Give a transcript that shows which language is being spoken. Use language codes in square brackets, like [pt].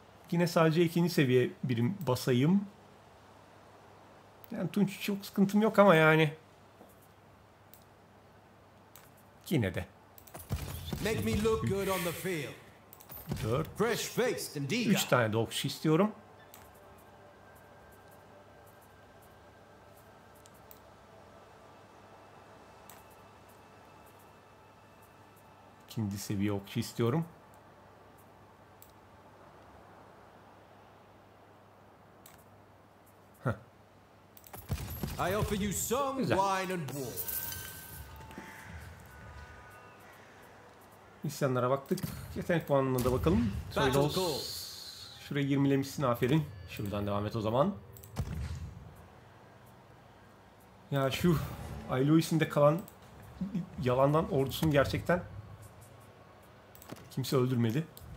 [tr] Yine sadece ikinci seviye birim basayım. Yani Tunç çok sıkıntım yok ama yani. Yine de. [en] Make me look good on the field. [tr] 4. [en] Fresh face indeed. [tr] 3 tane de okçu istiyorum. İkinci seviye okçu istiyorum. [en] I offer you some wine and wool. [tr] İsyanlara baktık. Yetenek puanına da bakalım. Söylos. Şurayı 20'lemişsin. Aferin. Şuradan devam et o zaman. Ya şu Ailois'in de kalan yalandan ordusunu gerçekten kimse öldürmedi.